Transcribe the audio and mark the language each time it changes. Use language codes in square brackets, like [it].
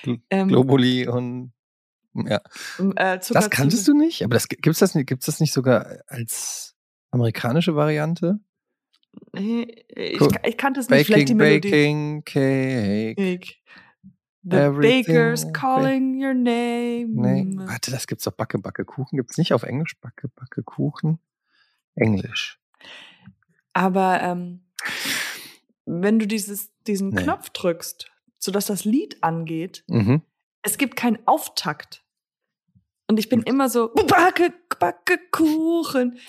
[de] Globuli und das kanntest du nicht? Aber gibt's das nicht sogar als amerikanische Variante? Ich kannte es nicht. Vielleicht die Melodie. [en] Baking cake. The baker's calling your name. [de] Nee. Warte, das gibt's doch. Backe, backe Kuchen. Gibt's nicht auf Englisch? Backe, backe Kuchen. Englisch. Aber wenn du diesen Knopf drückst, sodass das Lied angeht, es gibt keinen Auftakt. Und ich bin immer so, backe, backe Kuchen.